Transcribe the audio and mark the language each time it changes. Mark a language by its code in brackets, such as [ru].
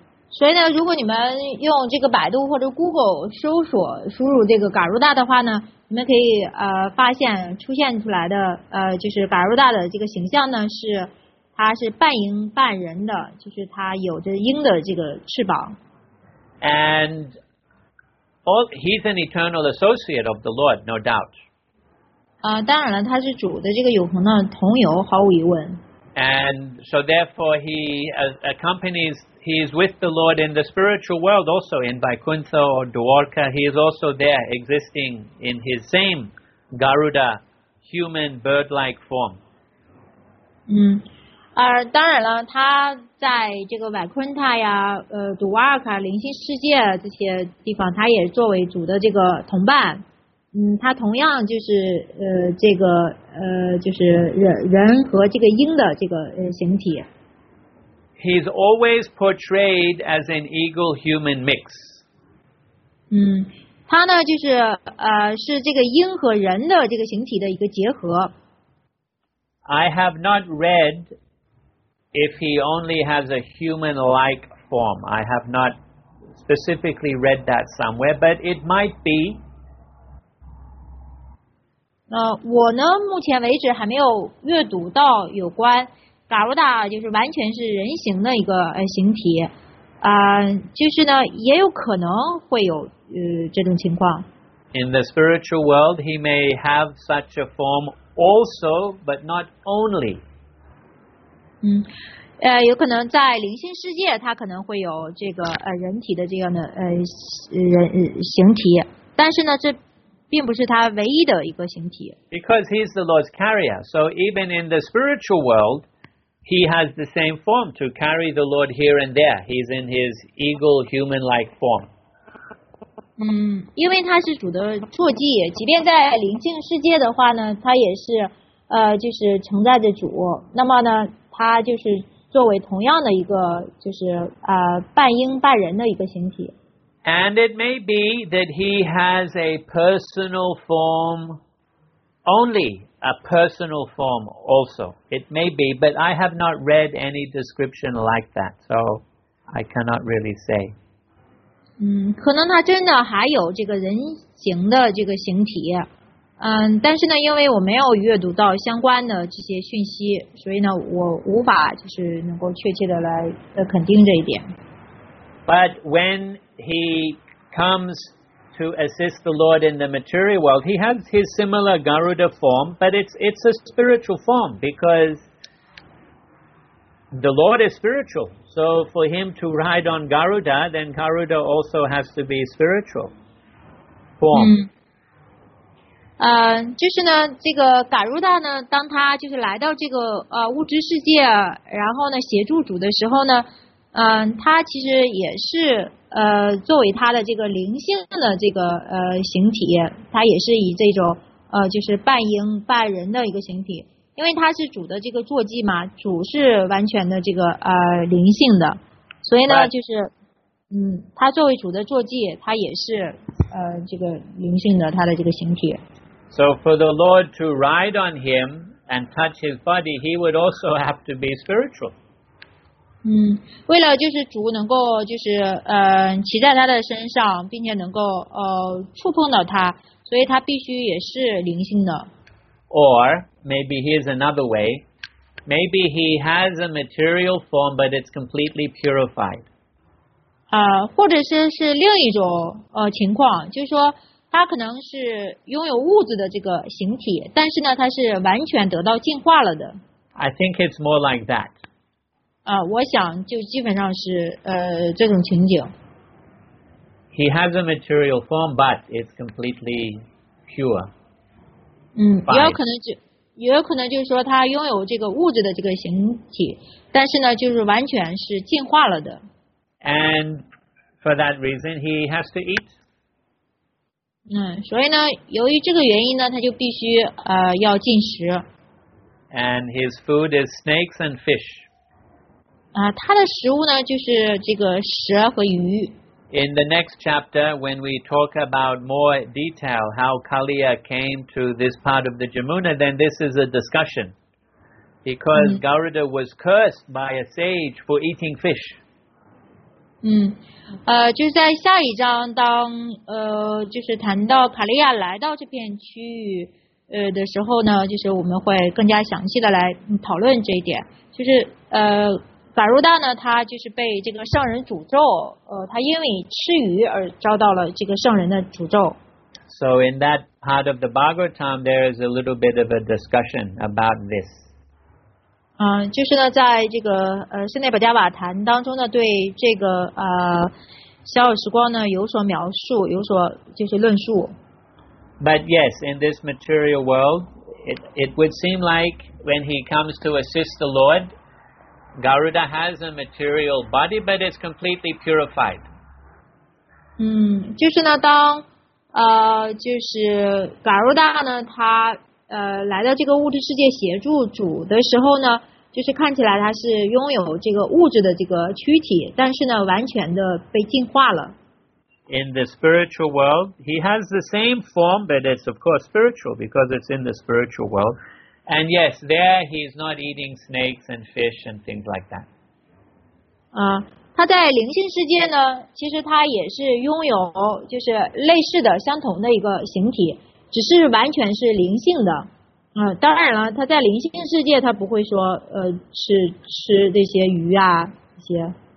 [zh] 所以呢，如果你们用这个百度或者 Google 搜索输入这个嘎如达的话呢，你们可以发现出现出来的就是嘎如达的这个形象呢，是他是半鹰半人的，就是他有着鹰的这个翅膀。 [en] And all, he's an eternal associate of the Lord, no doubt. [zh] 当然了，他是主的这个永恒的同游，毫无疑问。 [en] And so therefore he accompanies, he is with the Lord in the spiritual world also, in Vaikuntha or Dwarka. He is also there existing in his same Garuda, human bird-like form. [zh] 当然了，他在这个 Vaikuntha 呀、Dwarka 灵性世界这些地方，他也作为主的这个同伴。他同样就是这个就是人和这个鹰的这个形体。 [en] He's always portrayed as an eagle-human mix. [zh] 他呢就是是这个鹰和人的这个形体的一个结合。 [en] I have not read if he only has a human-like form. I have not specifically read that somewhere, but it might be. [zh] 我呢目前为止还没有阅读到有关嘎如达就是完全是人形的一个形体就是呢也有可能会有这种情况。 [en] In the spiritual world, he may have such a form also, but not only. [zh] 有可能在灵性世界他可能会有这个人体的这样的人形体但是呢这并不是他唯一的一个形体。 [en] Because he's the Lord's carrier, so even in the spiritual world, he has the same form to carry the Lord here and there. He's in his eagle human-like form. [zh] 因为他是主的坐骑，即便在灵性世界的话呢，他也是就是承载着主。那么呢，他就是作为同样的一个就是半鹰半人的一个形体。 [en] And it may be that he has a personal form only, a personal form also. It may be, but I have not read any description like that, so I cannot really say. [zh] 可能他真的还有这个人形的这个形体。但是呢，因为我没有阅读到相关的这些讯息，所以呢，我无法就是能够确切的来肯定这一点。 [en] But when he comes to assist the Lord in the material world, he has his similar Garuda form, but it's a spiritual form because the Lord is spiritual. So for him to ride on Garuda, then Garuda also has to be spiritual form. [zh] 就是呢，这个嘎如达呢，当他就是来到这个物质世界，然后呢协助主的时候呢。他其实也是作为他的这个灵性的这个形体，他也是以这种就是半鹰半人的一个形体，因为它是主的这个坐骑嘛，主是完全的这个灵性的，所以呢就是它作为主的坐骑，它也是这个灵性的，它的这个形体。 [en] So for the Lord to ride on him and touch his body, he would also have to be spiritual. [zh] 为了就是主能够就是骑在他的身上，并且能够触碰到他，所以他必须也是灵性的。 [en] Or maybe here's another way. Maybe he has a material form, but it's completely purified. [zh] 或者是另一种情况，就是说他可能是拥有物质的这个形体，但是呢，他是完全得到净化了的。 [en] I think it's more like that. [zh] 我想就基本上是这种情景。 [en] He has a material form, but it's completely pure. [zh] 也有可能就是说他拥有这个物质的这个形体，但是呢，就是完全是净化了的。 [en] And for that reason, he has to eat. [zh] 所以呢，由于这个原因呢，他就必须要进食。 [en] And his food is snakes and fish. [zh] 他的食物呢就是这个蛇和鱼。 [en] In the next chapter, when we talk about more detail how Kaliya came to this part of the Jamuna, then this is a discussion. Because Garuda was cursed by a sage for eating fish. [zh] 就在下一章当就是谈到卡利亚来到这片区域的时候呢，就是我们会更加详细的来讨论这一点，就是法如大呢，他就是被这个圣人诅咒，他因为吃鱼而遭到了这个圣人的诅咒。 [en] So in that part of the Bhagavatam, there is a little bit of a discussion about this. [zh] 就是呢，在这个室内保加瓦坛当中呢，对这个小耳时光呢有所描述，有所就是论述。 [en] But yes, in this material world, it would seem like when he comes to assist the Lord. Garuda has a material body, but it's completely purified. [zh] 就是呢，当就是 Garuda 呢，他来到这个物质世界协助主的时候呢，就是看起来他是拥有这个物质的这个躯体，但是呢，完全的被净化了。 [en] In the spiritual world, he has the same form, but it's of course spiritual because it's in the spiritual world. And yes, there he's not eating snakes and fish and things like that. [zh] 他在灵性世界呢，其实他也是拥有就是类似的相同的一个形体，只是完全是灵性的。当然了，他在灵性世界他不会说吃那些鱼啊这些。